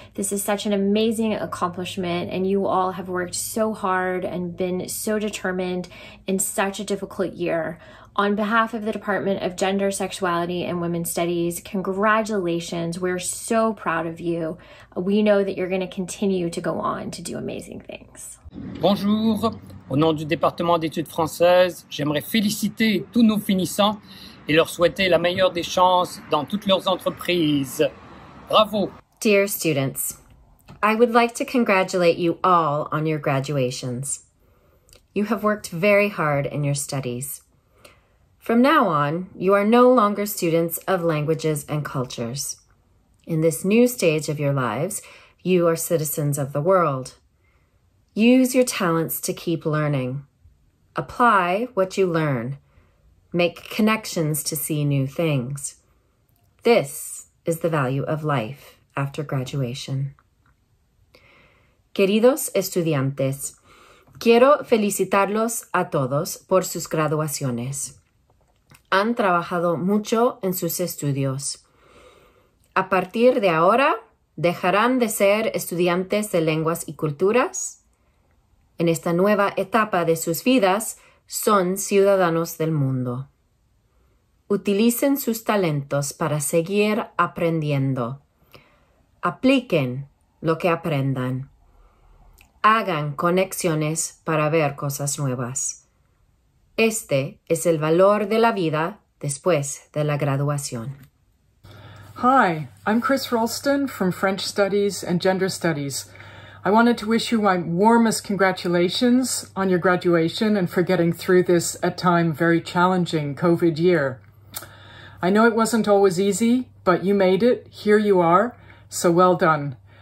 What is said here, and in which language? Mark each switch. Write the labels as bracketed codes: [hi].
[en] This is such an amazing accomplishment, and you all have worked so hard and been so determined in such a difficult year. On behalf of the Department of Gender, Sexuality, and Women's Studies, congratulations. We're so proud of you. We know that you're going to continue to go on to do amazing things. [fr] Bonjour. Au nom du département d'études françaises, j'aimerais féliciter tous nos finissants et leur souhaiter la meilleure des chances dans toutes leurs entreprises. Bravo. [en] Dear students, I would like to congratulate you all on your graduations. You have worked very hard in your studies. From now on, you are no longer students of languages and cultures. In this new stage of your lives, you are citizens of the world. Use your talents to keep learning. Apply what you learn. Make connections to see new things. This is the value of life after graduation. [es] Queridos estudiantes, quiero felicitarlos a todos por sus graduaciones. Han trabajado mucho en sus estudios. A partir de ahora, dejarán de ser estudiantes de lenguas y culturas. En esta nueva etapa de sus vidas, son ciudadanos del mundo. Utilicen sus talentos para seguir aprendiendo. Apliquen lo que aprendan. Hagan conexiones para ver cosas nuevas. Este es el valor de la vida después de la graduación. [en] Hi, I'm Chris Roulston from French Studies and Gender Studies. I wanted to wish you my warmest congratulations on your graduation and for getting through this at time very challenging COVID year. I know it wasn't always easy, but you made it. Here you are. So well done.